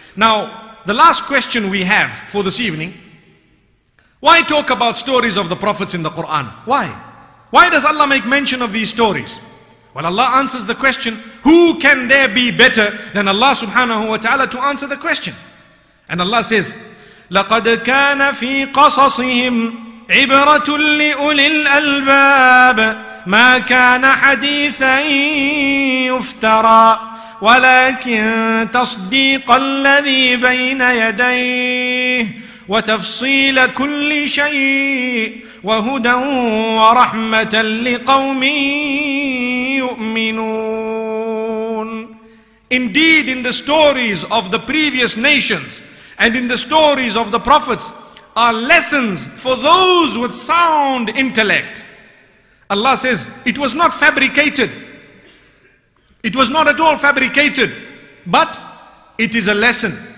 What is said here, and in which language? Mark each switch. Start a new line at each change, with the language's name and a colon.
English: Now, the last question we have for this evening, why talk about stories of the prophets in the Quran? Why? Why does Allah make mention of these stories? Well, Allah answers the question, who can there be better than Allah subhanahu wa ta'ala to answer the question?
Arabic: And Allah says, لَقَدْ كَانَ فِي قَصَصِهِمْ عِبْرَةٌ لِأُولِي الْأَلْبَابِ مَا كَانَ حَدِيثًا يُفْتَرَى وَلَكِنْ تَصْدِيقَ الَّذِي بَيْنَ يَدَيْهِ وَتَفْصِيلَ كُلِّ شَيْءٍ وَهُدًى وَرَحْمَةً لِقَوْمٍ يُؤْمِنُونَ.
English: Indeed, in the stories of the previous nations and in the stories of the prophets are lessons for those with sound intellect. Allah says, it was not fabricated. It was not at all fabricated, but it is a lesson.